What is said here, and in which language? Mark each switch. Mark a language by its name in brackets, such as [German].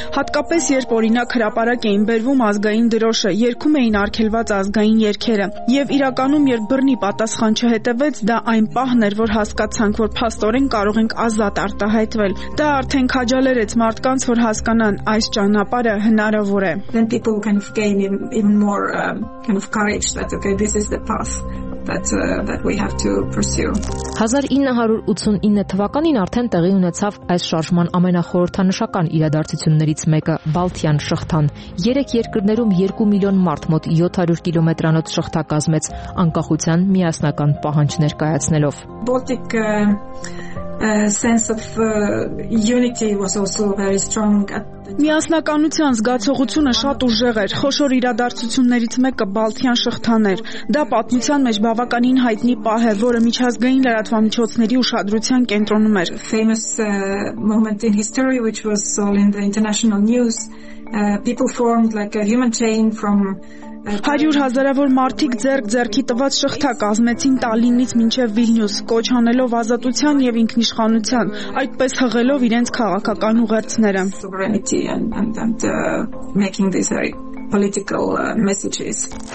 [Armenian] Հատկապես երբ օրինակ հրաπαրակ էին բերվում ազգային դրոշը, երգում էին արգելված ազգային երգերը, եւ իրականում երբ բռնի պատասխան չհետեվեց, դա այն պահն էր, որ հասկացանք, որ փաստորեն կարող ենք ազատ արտահայտվել։ Դա արդեն քաջալերեց մարդկանց, որ հասկանան, այս ճանապարհը հնարավոր է։ [English] Then people kind of gain even more kind of courage that okay, this is the path that we have to pursue. [Armenian] 1989 թվականին արդեն տեղի ունեցավ այս շարժման ամենախորհրդանշական իրադարձություններից մեկը՝ Բալթյան շղթան։ Երեք երկրներում 2 միլիոն մարդ մոտ 700 կիլոմետրանոց շղթա կազմեց անկախության միասնական պահանջ ներկայացնելով։ [English] Baltic sense of unity was also very strong at [Armenian] Միասնականության զգացողությունը շատ ուժեղ էր։ Խոշոր իրադարձություններից մեկը Բալթյան շղթան էր։ Դա պատմության մեջ բավականին հայտնի պահ է, որը միջազգային լրատվամիջոցների ուշադրության կենտրոնում էր։ [English] Famous moment in history which was all in the international news. People formed like a human chain from [Armenian] 100 հազարավոր մարդիկ ձեռք-ձեռքի տված շղթա կազմեցին Տալինից մինչև Վիլնյուս, կոչ անելով ազատության եւ ինքնիշխանության, այդպես հղելով իրենց քաղաքական ուղերձները։ [English] And making these very political messages.